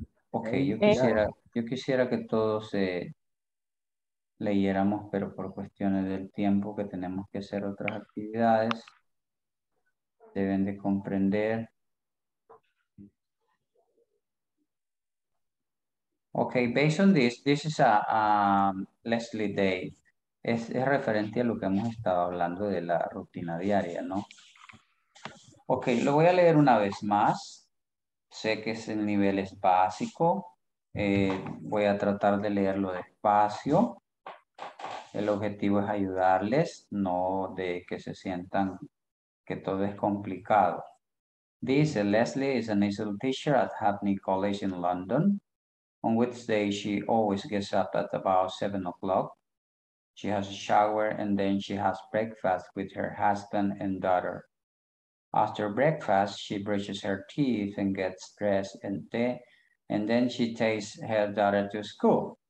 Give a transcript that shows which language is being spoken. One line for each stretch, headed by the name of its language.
Spanish: Okay, yo quisiera que todos leyéramos, pero por cuestiones del tiempo que tenemos que hacer otras actividades, deben de comprender.
English: Okay, based on this, this is a Leslie Day.
Spanish: Es referente a lo que hemos estado hablando de la rutina diaria, ¿no? Okay, lo voy a leer una vez más. Sé que es el nivel es básico. Voy a tratar de leerlo despacio. El objetivo es ayudarles, no de que se sientan que todo es complicado.
English: Dice, Leslie is an ESOL teacher at Hackney College in London. On Wednesday, she always gets up at about 7 o'clock. She has a shower and then she has breakfast with her husband and daughter. After breakfast, she brushes her teeth and gets dressed and then she takes her daughter to school.